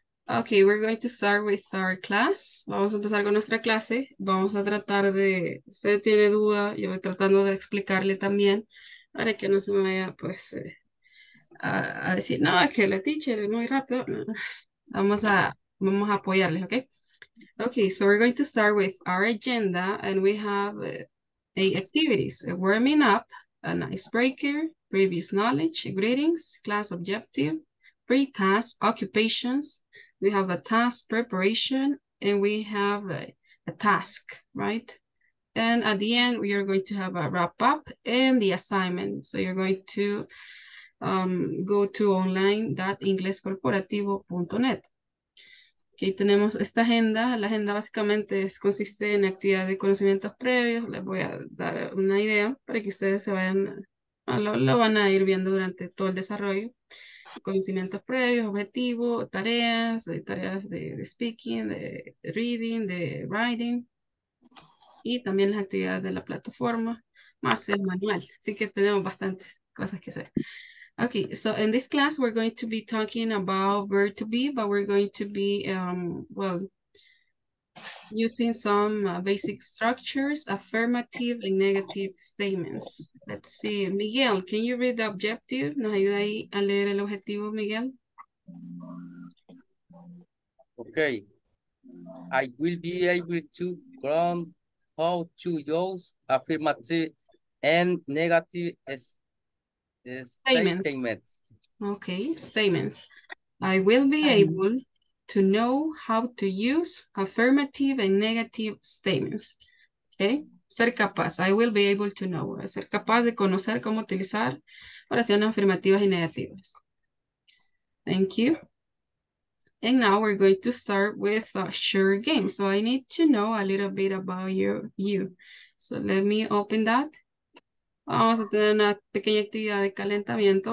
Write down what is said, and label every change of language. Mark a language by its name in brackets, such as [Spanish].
[English] Ok, we're going to start with our class. [Spanish] Vamos a empezar con nuestra clase. Vamos a tratar de, si usted tiene duda, yo voy tratando de explicarle también para que no se me vaya, pues, a decir, no, es que la teacher es muy rápido. Vamos a apoyarles, ¿ok? [English] Okay, so we're going to start with our agenda and we have activities, a warming up, an icebreaker, previous knowledge, greetings, class objective, pre-task, occupations, we have a task preparation, and we have a task, right? And at the end, we are going to have a wrap up and the assignment. So you're going to go to online.inglescorporativo.net. [Spanish] Okay, tenemos esta agenda. La agenda básicamente consiste en actividades de conocimientos previos. Les voy a dar una idea para que ustedes se vayan, lo van a ir viendo durante todo el desarrollo. Conocimientos previos, objetivos, tareas de speaking, de reading, de writing. Y también las actividades de la plataforma, más el manual. Así que tenemos bastantes cosas que hacer. [English] Okay, so in this class, we're going to be talking about verb to be, but we're going to be, using some basic structures, affirmative and negative statements. Let's see. Miguel, can you read the objective? [Spanish] ¿Nos ayuda ahí a leer el objetivo, Miguel? [English] Okay. I will be able to learn how to use affirmative and negative statements. Okay, statements. I will be able to know how to use affirmative and negative statements. Okay, [Spanish] ser capaz. [English] I will be able to know. [Spanish] Ser capaz de conocer cómo utilizar oraciones afirmativas y negativas. [English] Thank you. And now we're going to start with a sure game. So I need to know a little bit about you. So let me open that. [Spanish] Vamos a tener una pequeña actividad de calentamiento.